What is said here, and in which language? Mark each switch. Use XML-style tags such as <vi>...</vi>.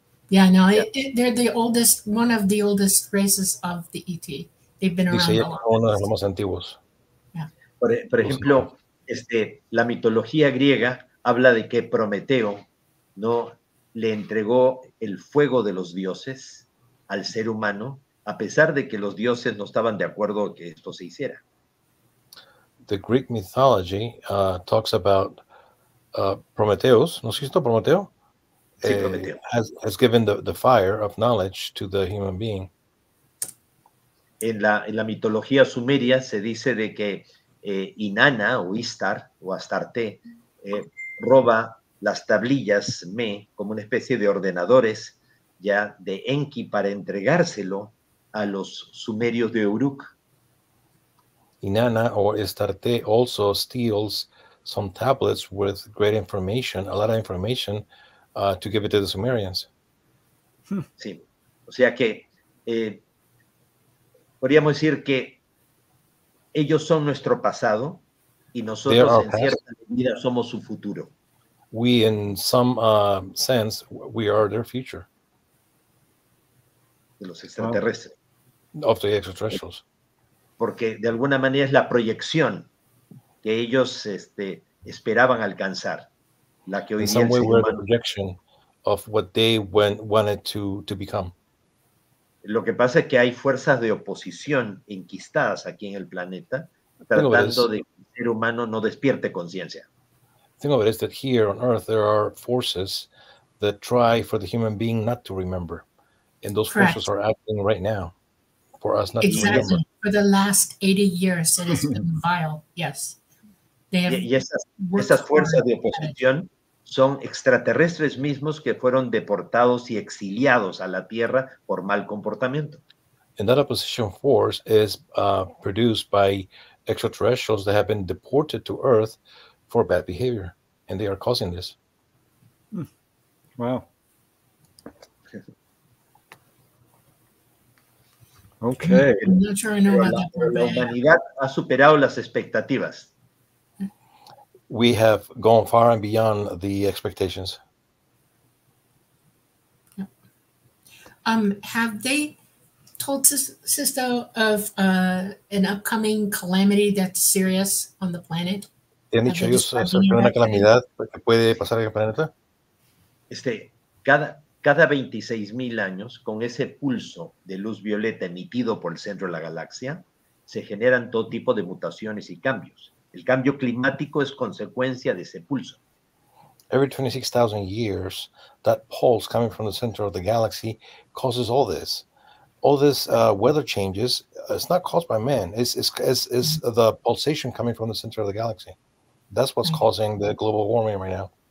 <en>Yeah, no, they're the oldest, one of the oldest races of the ET. They've been around a long</en> <es>time. Uno de los más antiguos. Por ejemplo, la mitología griega habla de que Prometeo no le entregó el fuego de los dioses al ser humano, a pesar de que los dioses no estaban de acuerdo que esto se hiciera.</es> <en>The Greek mythology talks about Prometheus,</en> <es>¿no es cierto, Prometeo?</es> <en>Has given the fire of knowledge to the human being.</en> <es>En la mitología sumeria se dice de que Inanna o Istar o Astarte roba las tablillas Me como una especie de ordenadores ya de Enki para entregárselo a los sumerios de Uruk.</es> <en>Inanna or Astarte also steals some tablets with great information, a lot of information. To give it to the Sumerians.</en> <es>Sí. O sea que podríamos decir que ellos son nuestro pasado y nosotros en past. Cierta medida somos su futuro.</es> <en>We, in some sense, we are their future.</en> <es>De los extraterrestres.</es> <en>Of the extraterrestrials.</en> <es>Porque de alguna manera es la proyección que ellos esperaban alcanzar. La que hoy</es> <en>in some way we're the projection of what they wanted to become.</en> <es>Lo que pasa es que hay fuerzas de oposición enquistadas aquí en el planeta tratando de que el ser humano no despierte conciencia.</es> <en>The thing of it is that here on Earth there are forces that try for the human being not to remember. And those correct. Forces are acting right now for us not exactly. to remember. Exactly. For the last 80 years it has been vile, yes.</en> <es>Y esas fuerzas de oposición son extraterrestres mismos que fueron deportados y exiliados a la Tierra por mal comportamiento.</es> <en>And that opposition force is produced by extraterrestrials that have been deported to Earth for bad behavior, and they are causing this. Hmm. Wow. Okay. I'm not sure I know about that.</en> <es>La humanidad ha superado las expectativas.</es> <en>We have gone far and beyond the expectations. Yeah. Have they told Sisto of an upcoming calamity that's serious on the planet?</en> <es>¿Han dicho ellos sobre una calamidad que puede pasar en el planeta? Cada 26,000 años, con ese pulso de luz violeta emitido por el centro de la galaxia, se generan todo tipo de mutaciones y cambios. El cambio climático es consecuencia de ese pulso.</es> <en>Every 26,000 years, that pulse coming from the center of the galaxy causes all this. All this weather changes, it's not caused by man. It's the pulsation coming from the center of the galaxy. That's what's causing the global warming right now.</en>